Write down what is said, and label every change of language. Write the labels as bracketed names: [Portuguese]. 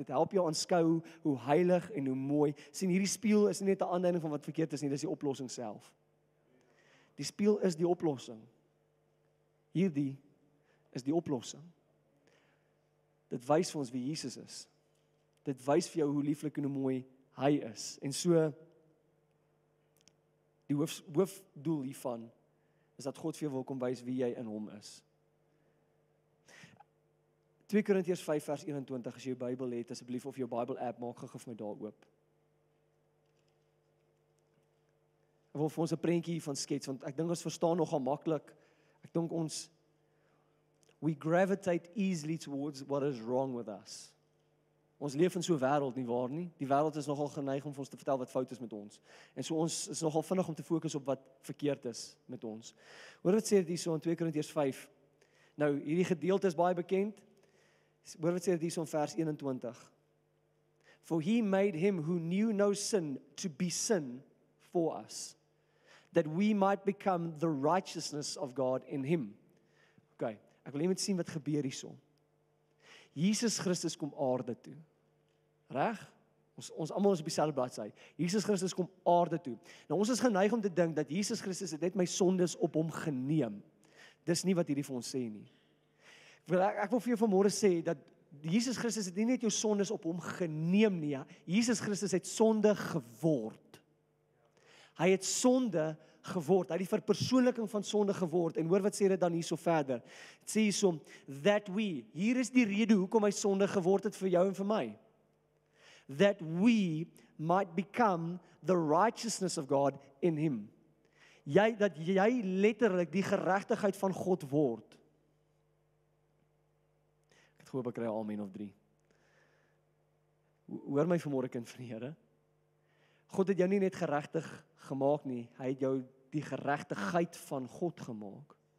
[Afrikaans] Dit help jou aanskou hoe heilig en hoe mooi. Sien, hierdie spieël is nie net 'n aanduiding van wat verkeerd is nie, dis die oplossing self. Die spieël is die oplossing. Hierdie is die oplossing. Dit wys vir ons wie Jesus is. Dit wys vir jou hoe lieflik en hoe mooi hy is. En so, die hoofdoel hiervan is dat God vir jou wil kom wys wie jy in hom is. 2 Korintiërs 5 vers 21, as jy jou Bybel het, asseblief of jou Bybel app, maak gou vir my daar oop. Ek wil vir ons 'n prentjie van skets, want ek dink ons verstaan nogal maklik. Ek dink ons, [English] we gravitate easily towards what is wrong with us. [Afrikaans] Ons leef in so'n wêreld, nie waar nie? Die wêreld is nogal geneig om vir ons te vertel wat fout is met ons. En so ons is nogal vinnig om te fokus op wat verkeerd is met ons. Hoor wat sê dit hier so in 2 Korintiërs 5. Nou, hierdie gedeelte is baie bekend. Hoor wat sê dit hier so in vers 21. [English] For he made him who knew no sin to be sin for us, that we might become the righteousness of God in him. [Afrikaans] Okay, ek wil net sien wat gebeur hier so. Jesus Christus kom aarde toe. Reg? Ons almal is op dieselfde bladsy. Jesus Christus kom aarde toe. Nou ons is geneig om te dink dat Jesus Christus het net my sondes op hom geneem. Dis nie wat hierdie vir ons sê nie. Ek wil vir jou vanmôre sê dat Jesus Christus het nie net jou sondes op hom geneem nie. Jesus Christus het sonde geword. Hy het sonde geword. Hy het die verpersoonliking van sonde geword. En hoor wat sê dit dan hierso verder. Dit sê hierso, [English] that we, [Afrikaans] hier is die rede hoekom hy sonde geword het vir jou en vir my. [English] That we might become the righteousness of God in him. [Afrikaans] Dat jy letterlik die geregtigheid van God word. Ek het gehoop ek kry amen of 3. Hoor my vanmôre kind van die Here. God het jou nie net geregtig gemaak nie, hy het jou die geregtigheid van God gemaak.